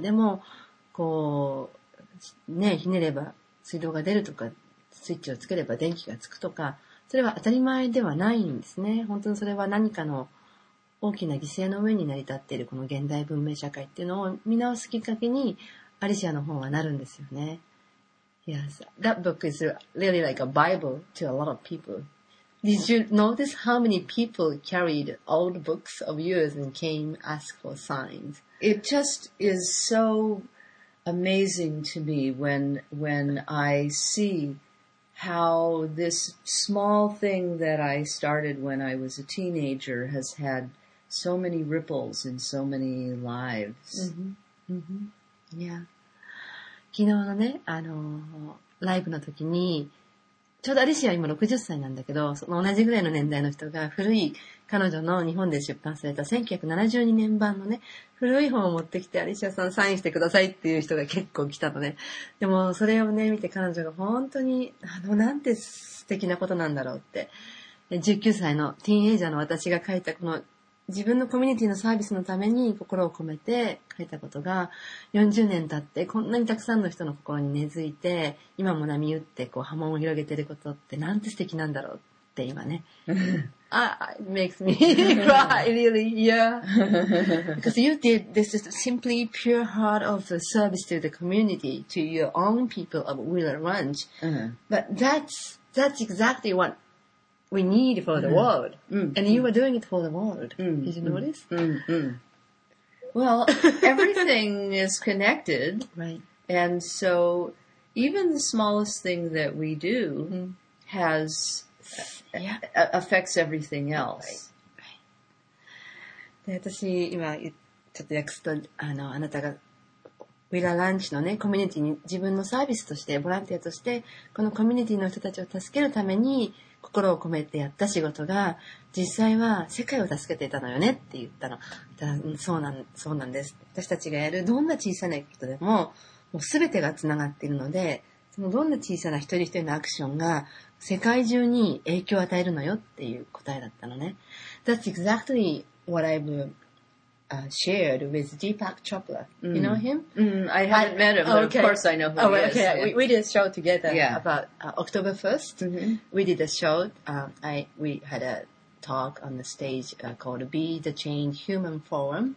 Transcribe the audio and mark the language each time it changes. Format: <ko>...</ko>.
<ja>でも、こう、ね、ひねれば水道が出るとか、スイッチをつければ電気がつくとか、それは当たり前ではないんですね。本当にそれは何かの大きな犠牲の上に成り立っている、この現代文明社会っていうのを見直すきっかけに、アリシアの方はなるんですよね。</ja> <en>Yes, that book is really like a Bible to a lot of people. Did you notice how many people carried old books of yours and came ask for signs? It just is so amazing to me when I see how this small thing that I started when I was a teenager has had so many ripples in so many lives. Mm-hmm. Mm-hmm. Yeah.</en> <ja>昨日のね、ライブの時にちょうどアリシアは今60歳なんだけど、その同じぐらいの年代の人が古い彼女の日本で出版された1972年版のね、古い本を持ってきてアリシアさんサインしてくださいっていう人が結構来たのね。でもそれをね、見て彼女が本当に、なんて素敵なことなんだろうって。 19歳のティーンエイジャーの私が書いたこの自分のコミュニティのサービスのために心を込めて書いたことが40年経ってこんなにたくさんの人の心に根付いて今も波打ってこう波紋を広げてることってなんて素敵なんだろうって今ね。</ja> <en>It makes me cry really, yeah. Because you did this is simply pure heart of the service to the community, to your own people of Wheeler Ranch. But that's exactly whatWe need for the world. And you were doing it for the world. Did you notice? Well, everything is connected. Right. And so even the smallest thing that we do has affects everything else. Right.</en> <ja>で、私今ちょっと訳すと、あなたがウィラランチのね、コミュニティに自分のサービスとして、ボランティアとして、このコミュニティの人たちを助けるために、心を込めてやった仕事が実際は世界を助けていたのよねって言ったの。そうなんです。私たちがやるどんな小さなことでも、もう全てがつながっているので、そのどんな小さな一人一人のアクションが世界中に影響を与えるのよっていう答えだったのね。</ja> <en>That's exactly what I've shared with Deepak Chopra. You know him? I haven't met him, but of course I know who he is. Okay. We did a show together about October 1st. We did a show. We had a talk on the stage called Be the Change Human Forum.</en>